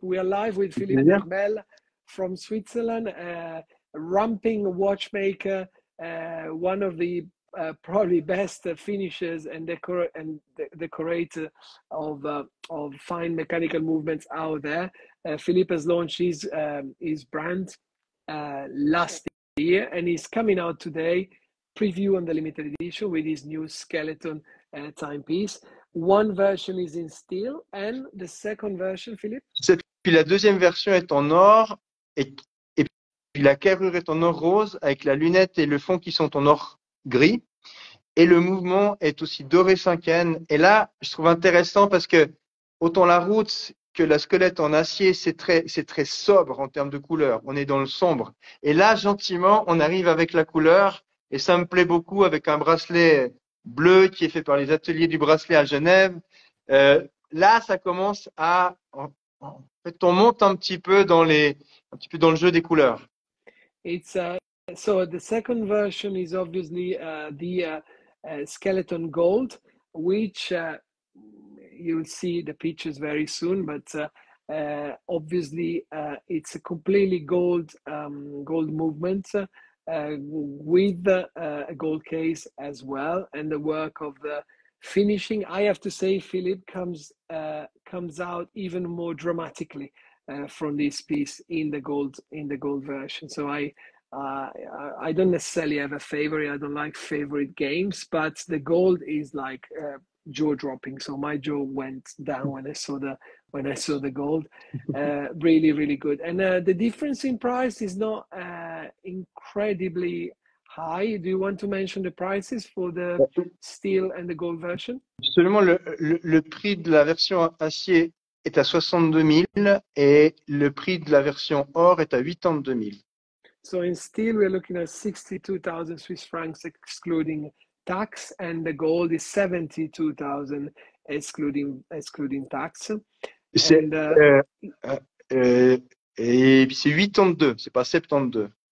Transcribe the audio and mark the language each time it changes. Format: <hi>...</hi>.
<en>We are live with Philippe Narbel from Switzerland, a ramping watchmaker, one of the probably best finishers and decorator of fine mechanical movements out there. Philippe has launched his brand last year, and he's coming out today, preview on the limited edition with his new skeleton timepiece. One version is in steel, and the second version, Philippe?</en> <fr>Et puis la deuxième version est en or, et puis la carrure est en or rose, avec la lunette et le fond qui sont en or gris. Et le mouvement est aussi doré 5N. Et là, je trouve intéressant parce que autant la Roots que la squelette en acier, c'est très sobre en termes de couleur. On est dans le sombre. Et là, gentiment, on arrive avec la couleur. Et ça me plaît beaucoup avec un bracelet bleu qui est fait par les ateliers du bracelet à Genève. Là, ça commence à... En fait, on monte un petit peu dans les, un petit peu dans le jeu des couleurs.</fr> <en>It's a... So the second version is obviously skeleton gold, which you'll see the pictures very soon. But obviously, it's a completely gold gold movement with a gold case as well, and the work of the finishing. I have to say, Philippe comes out even more dramatically from this piece in the gold version. So I don't necessarily have a favorite. I don't like favorite games, but the gold is like jaw dropping. So my jaw went down when I saw the gold. Really, really good. And the difference in price is not incredibly high. Do you want to mention the prices for the steel and the gold version?</en> <fr>Seulement le prix de la version acier est à 62 000, et le prix de la version or est à 82 000.</fr> <en>So in steel, we're looking at 62,000 Swiss francs, excluding tax, and the gold is 72,000, excluding tax.</en> <fr>C'est, and, et c'est 82, c'est pas 72.</fr>